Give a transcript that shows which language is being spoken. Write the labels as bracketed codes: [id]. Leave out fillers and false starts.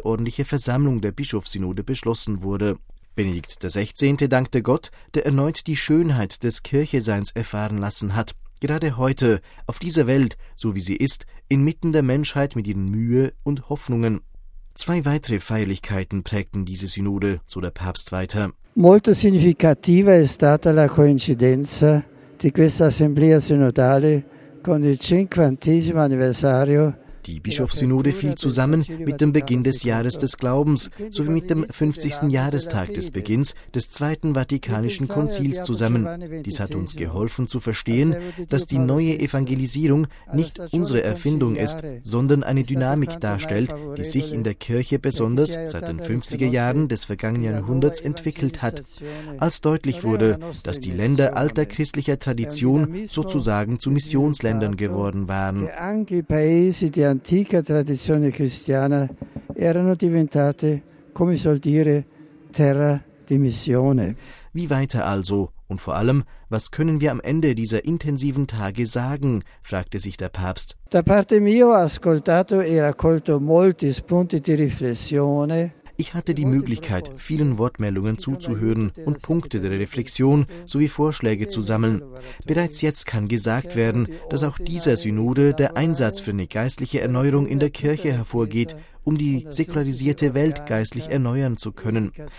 [de] ordentliche Versammlung der Bischofssynode beschlossen wurde. Benedikt XVI. Dankte Gott, der erneut die Schönheit des Kircheseins erfahren lassen hat. Gerade heute, auf dieser Welt, so wie sie ist, inmitten der Menschheit mit ihren Mühe und Hoffnungen. Zwei weitere Feierlichkeiten prägten diese Synode, so der Papst weiter. [it] Molto significativa è stata la coincidenza di questa assemblea sinodale con il 50° anniversario. [de] Die Bischofssynode fiel zusammen mit dem Beginn des Jahres des Glaubens sowie mit dem 50. Jahrestag des Beginns des Zweiten Vatikanischen Konzils zusammen. Dies hat uns geholfen zu verstehen, dass die neue Evangelisierung nicht unsere Erfindung ist, sondern eine Dynamik darstellt, die sich in der Kirche besonders seit den 50er Jahren des vergangenen Jahrhunderts entwickelt hat, als deutlich wurde, dass die Länder alter christlicher Tradition sozusagen zu Missionsländern geworden waren. Die antike [it] Tradition Christiana erano diventate, come soll dire, terra di missione. [de] Wie weiter also? Und vor allem, was können wir am Ende dieser intensiven Tage sagen? Fragte sich der Papst. [it] Da parte mio ho ascoltato e raccolto molti spunti di riflessione. [de] Ich hatte die Möglichkeit, vielen Wortmeldungen zuzuhören und Punkte der Reflexion sowie Vorschläge zu sammeln. Bereits jetzt kann gesagt werden, dass auch dieser Synode der Einsatz für eine geistliche Erneuerung in der Kirche hervorgeht, um die säkularisierte Welt geistlich erneuern zu können.